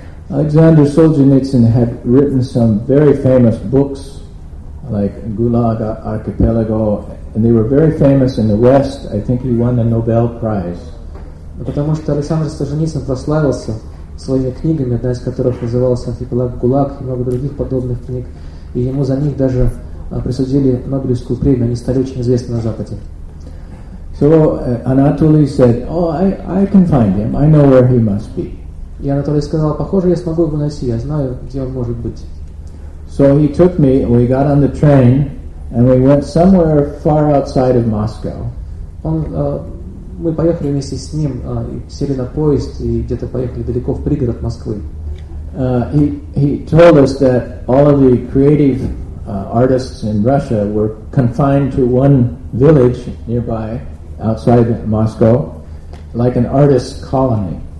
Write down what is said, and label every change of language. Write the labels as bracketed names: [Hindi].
[English] Alexander Solzhenitsyn had written some very famous books, like Gulag Archipelago, and they were very famous in the West. I think he won the Nobel Prize. [Russian] Потому что Александр Солженицын прославился своими книгами, одна из которых называлась «Архипелаг Гулаг» и много других подобных книг, и ему за них даже присудили Нобелевскую премию. Они стали очень известны на Западе. [English] So Anatoly said, "Oh, I can find him. I know where he must be." [Russian] И Анатолий сказал, "Похоже, я смогу его найти. Я знаю, где он может быть." [English] So he took me, we got on the train, and we went somewhere far outside of Moscow. [Russian] Мы поехали вместе с ним, сели на поезд и где-то поехали далеко в пригород Москвы. [English] He told us that all of the creative artists in Russia were confined to one village nearby, outside Moscow, like an artist's colony.